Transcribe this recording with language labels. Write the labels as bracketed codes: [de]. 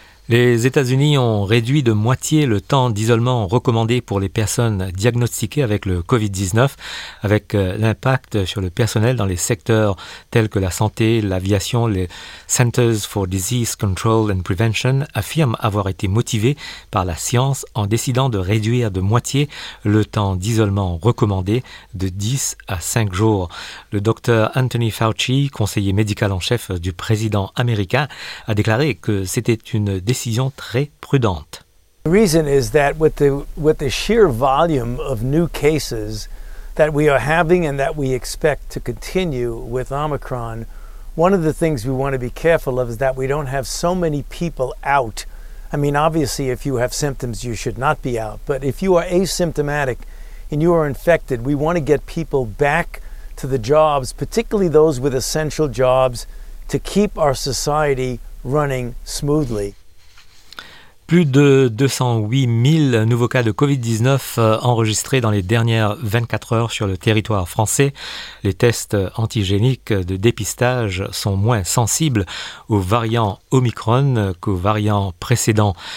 [fr] Les États-Unis ont réduit de moitié le temps d'isolement recommandé pour les personnes diagnostiquées avec le COVID-19, avec l'impact sur le personnel dans les secteurs tels que la santé, l'aviation, les Centers for Disease Control and Prevention affirment avoir été motivés par la science en décidant de réduire de moitié le temps d'isolement recommandé de 10 à 5 jours. Le docteur Anthony Fauci, conseiller médical en chef du président américain, a déclaré que c'était une décision très prudente. [en] The reason is that with the sheer volume of new cases that we are having and that we expect to continue with Omicron, one of the things we want to be careful of is that we don't have so many people out. I mean, obviously if you have symptoms you should not be out, but if you are asymptomatic and you are infected, we want to get people back to the jobs, particularly those with essential jobs, to keep our society running smoothly. [fr] Plus de 208 000 nouveaux cas de COVID-19 enregistrés dans les dernières 24 heures sur le territoire français. Les tests antigéniques de dépistage sont moins sensibles aux variants Omicron qu'aux variants précédents.